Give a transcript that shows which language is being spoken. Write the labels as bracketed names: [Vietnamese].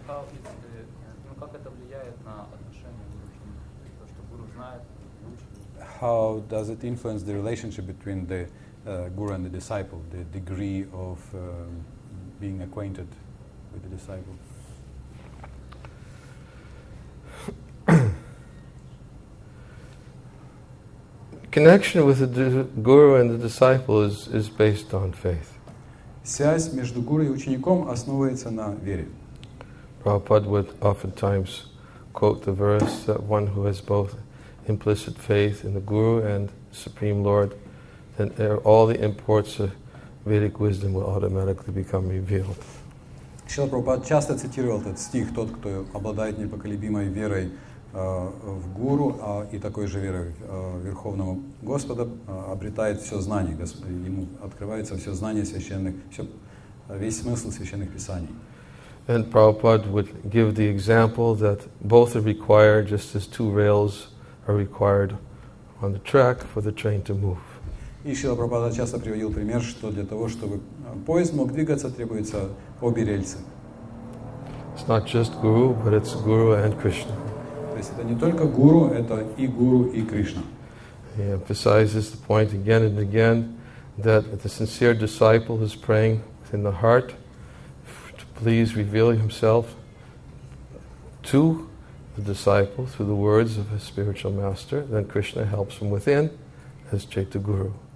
[English] How it's [Russian] как это влияет на отношения гуру то что гуру знает лучше. [English] How does it influence the relationship between the guru and the disciple? The degree of being acquainted with the disciple. Connection with the guru and the disciple is based on faith. [Russian] Связь между гуру и учеником основывается на вере. [English] Prabhupada would oftentimes quote the verse that one who has both implicit faith in the guru and the supreme lord, then there all the imports of Vedic wisdom will automatically become revealed. [Russian] Шрила Прабхупада часто цитировал этот стих: тот, кто обладает непоколебимой верой в гуру и такой же верой Верховного Господа, обретает все знание, ему открывается все знание священных, весь смысл священных писаний. [English] And Prabhupada would give the example that both are required, just as two rails are required on the track for the train to move. [Russian] И Шрила Прабхупада часто приводил пример, что для того, чтобы поезд мог двигаться, требуются обе рельсы. [English] It's not just guru, but it's guru and Krishna. [Russian] То есть это не только гуру, это и гуру, и Кришна. [English] He emphasizes the point again and again that the sincere disciple is praying within the heart to please reveal himself to the disciple through the words of a spiritual master, then Krishna helps him within as Chaita Guru.